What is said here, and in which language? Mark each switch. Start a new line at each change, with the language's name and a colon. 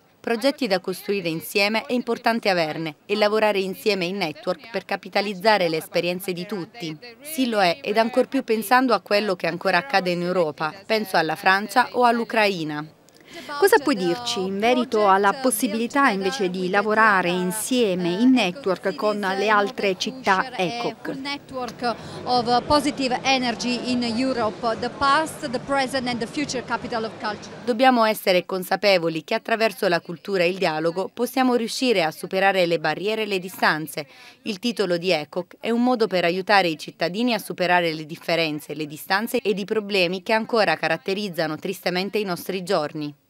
Italian: Progetti da costruire insieme è importante averne e lavorare insieme in network per capitalizzare le esperienze di tutti. Sì, lo è, ed ancor più pensando a quello che ancora accade in Europa, penso alla Francia o all'Ucraina. Cosa puoi dirci in merito alla possibilità invece di lavorare insieme in network con le altre città ECOC?
English: Network of positive energy in Europe, the past, the present and the future capital of culture.
Italian: Dobbiamo essere consapevoli che attraverso la cultura e il dialogo possiamo riuscire a superare le barriere e le distanze. Il titolo di ECOC è un modo per aiutare i cittadini a superare le differenze, le distanze ed i problemi che ancora caratterizzano tristemente i nostri giorni.